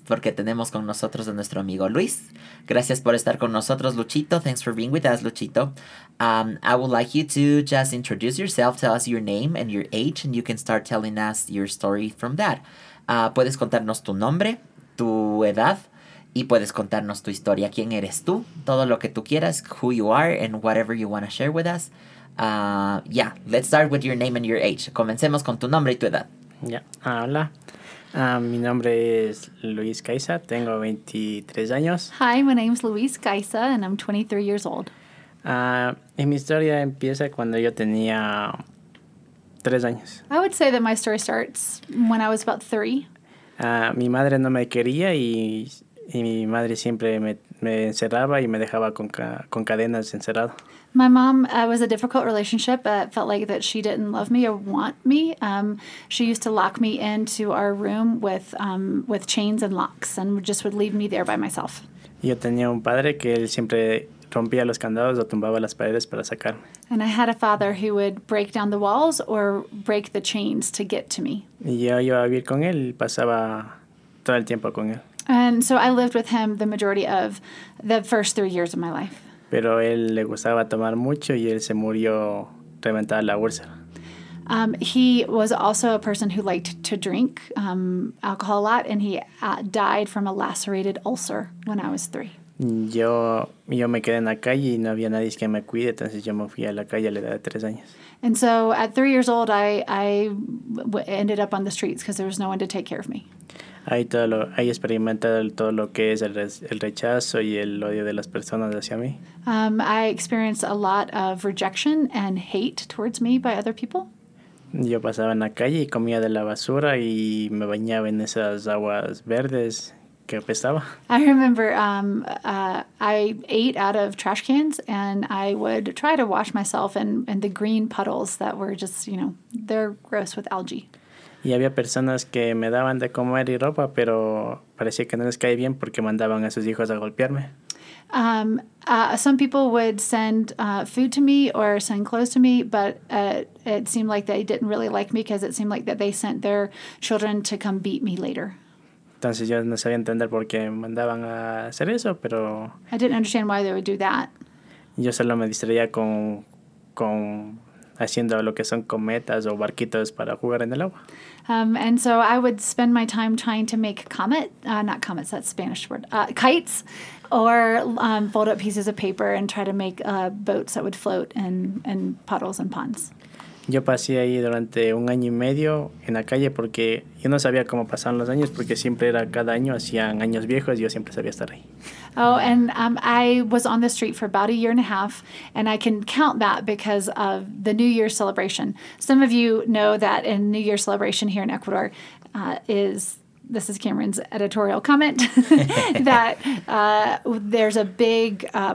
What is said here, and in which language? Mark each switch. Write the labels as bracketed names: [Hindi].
[Spanish] Porque tenemos con nosotros a nuestro amigo Luis. Gracias por estar con nosotros, Luchito. [English] Thanks for being with us, Luchito. I would like you to just introduce yourself, tell us your name and your age, and you can start telling us your story from that. [Spanish] Puedes contarnos tu nombre, tu edad. Y puedes contarnos tu historia, quién eres tú, todo lo que tú quieras, [English] who you are, and whatever you want to share with us. Let's start with your name and your age. [Spanish] Comencemos con tu nombre y tu edad. [English] Yeah. [Spanish] Hola, mi nombre es Luis Caiza, tengo 23 años. [English] Hi, my name is Luis Caiza, and I'm 23 years old. [Spanish] Y mi historia empieza cuando yo tenía 3 años. [English] I would say that my story starts when I was about 3. [Spanish] Mi madre no me quería y mi madre siempre me encerraba y me dejaba con cadenas encerrado. [English] My mom was a difficult relationship. It felt like that she didn't love me or want me. She used to lock me into our room with chains and locks and just would leave me there by myself. [Spanish] Yo tenía un padre que él siempre rompía los candados o tumbaba las paredes para sacarme. [English] And I had a father who would break down the walls or break the chains to get to me. [Spanish] Y yo iba a vivir con él y pasaba todo el tiempo con él. [English] And so I lived with him the majority of the first 3 years of my life. [Spanish] Pero él le gustaba tomar mucho y él se murió reventada la úlcera. [English] He was also a person who liked to drink alcohol a lot, and he died from a lacerated ulcer when I was 3. [Spanish] Yo me quedé en la calle y no había nadie que me cuide, entonces yo me fui a la calle a la edad de 3 años. [English] And so at 3 years old, I ended up on the streets because there was no one to take care of me. [Spanish] Ahí experimenté todo lo que es el rechazo y el odio de las personas hacia mí. [English] I experienced a lot of rejection and hate towards me by other people. [Spanish] Yo pasaba en la calle y comía de la basura y me bañaba en esas aguas verdes que apestaba. [English] I remember I ate out of trash cans and I would try to wash myself in the green puddles that were just, you know, they're gross with algae. [Spanish] Y había personas que me daban de comer y ropa, pero parecía que no les caía bien porque mandaban a sus hijos a golpearme. [English] Some people would send food to me or send clothes to me, but it seemed like they didn't really like me because it seemed like that they sent their children to come beat me later. [Spanish] Entonces yo no sabía entender por qué mandaban a hacer eso, pero... [English] I didn't understand why they would do that. [Spanish] Yo solo me distraía con haciendo lo que son cometas o barquitos para jugar en el agua. [English] And so I would spend my time trying to make kites, or fold up pieces of paper and try to make boats that would float in puddles and ponds. [Spanish] Yo pasé ahí durante 1 año y medio en la calle porque yo no sabía cómo pasaban los años porque siempre era cada año, hacían años viejos y yo siempre sabía estar ahí. [English] Oh, and I was on the street for about 1.5 years, and I can count that because of the New Year celebration. Some of you know that in New Year celebration here in Ecuador this is Cameron's editorial comment, that there's a big...